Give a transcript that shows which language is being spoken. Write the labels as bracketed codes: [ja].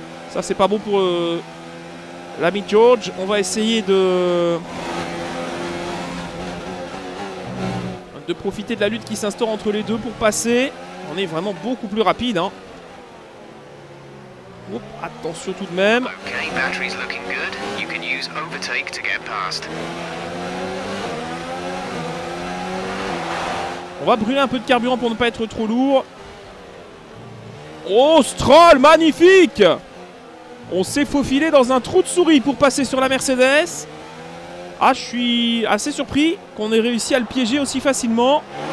[fr] Ça, c'est pas bon pour l'ami George. On va essayer de profiter de la lutte qui s'instaure entre les deux pour passer. On est vraiment beaucoup plus rapide, hein. Oups, attention tout de même. [en] Okay, battery's looking good. You can use overtake to get past. [fr] va brûler un peu de carburant pour ne pas être trop lourd. Oh, Stroll, magnifique! On s'est faufilé dans un trou de souris pour passer sur la Mercedes. Ah, je suis assez surpris qu'on ait réussi à le piéger aussi facilement.